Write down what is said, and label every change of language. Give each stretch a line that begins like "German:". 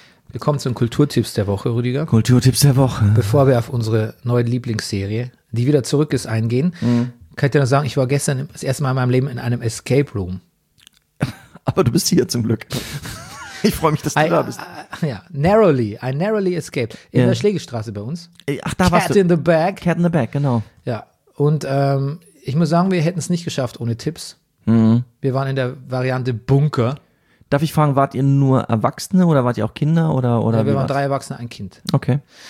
German: Wir kommen zu den Kulturtipps der Woche, Rüdiger. Kulturtipps der Woche. Bevor wir auf unsere neue Lieblingsserie, die wieder zurück ist, eingehen, kann ich dir noch sagen, ich war gestern das erste Mal in meinem Leben in einem Escape Room. Aber du bist hier zum Glück. Ich freue mich, dass du da bist.
English: Ja, narrowly, I narrowly escaped.
German: In der Schlägestraße bei uns. Ach, da warst du.
English: Cat in the Bag. Cat in the Bag, genau.
German: Ja, und ich muss sagen, wir hätten es nicht geschafft ohne Tipps. Wir waren in der Variante Bunker. Darf ich fragen, wart ihr nur Erwachsene oder wart ihr auch Kinder? Oder ja, wir waren drei Erwachsene, ein Kind. Okay.